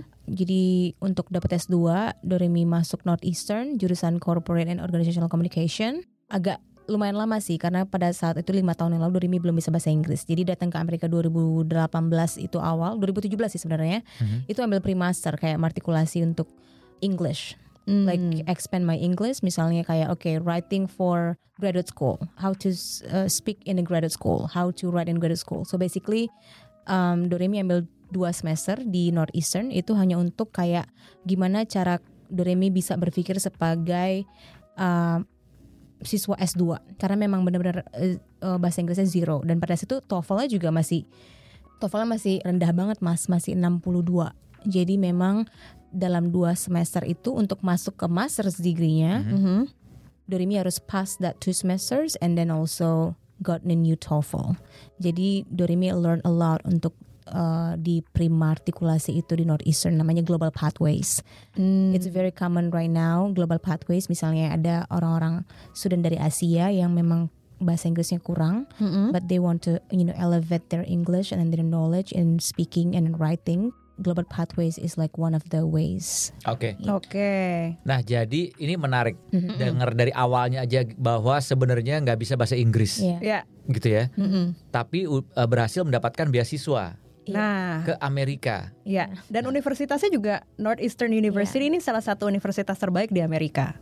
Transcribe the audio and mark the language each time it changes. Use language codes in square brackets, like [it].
[id] Jadi untuk dapat S2, Doremi masuk Northeastern jurusan Corporate and Organizational Communication. Agak lumayan lama sih karena pada saat itu 5 tahun yang lalu Doremi belum bisa bahasa Inggris. Jadi datang ke Amerika 2018 itu awal, 2017 sih sebenarnya. Itu ambil pre-master kayak artikulasi untuk English. [en] Like expand my English, [id] misalnya kayak [en] writing for graduate school, how to speak in a graduate school, how to write in graduate school. So basically, [id] Doremi ambil 2 semester di Northeastern itu hanya untuk kayak gimana cara Doremi bisa berpikir sebagai siswa S2, karena memang benar-benar bahasa Inggrisnya zero dan pada saat itu TOEFL-nya masih rendah banget mas, masih 62. Jadi memang dalam 2 semester itu untuk masuk ke master's degree-nya, Doremi harus [en] pass that 2 semesters and then also got a new TOEFL. [id] Jadi Doremi [en] learn a lot [id] untuk di prima artikulasi itu di Northeastern, namanya Global Pathways. [en] It's very common right now, Global Pathways. [id] Misalnya ada orang-orang student dari Asia yang memang bahasa Inggrisnya kurang, [en] but they want to elevate their English and their knowledge in speaking and writing. Global Pathways is like one of the ways. Okay. [id] Nah, jadi ini menarik dengar dari awalnya aja bahwa sebenarnya nggak bisa bahasa Inggris, gitu ya. Tapi berhasil mendapatkan beasiswa ke Amerika. Dan universitasnya juga Northeastern University ini salah satu universitas terbaik di Amerika.